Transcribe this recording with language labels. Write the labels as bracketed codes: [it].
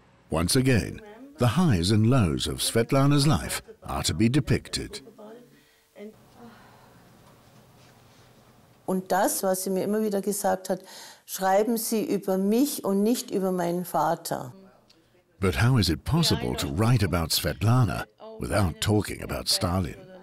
[en] Once again, the highs and lows of Svetlana's life are to be depicted. [de] Und das, was sie mir immer wieder gesagt hat, schreiben Sie über mich und nicht über meinen Vater. [en] But how is it possible to write about Svetlana without talking about Stalin?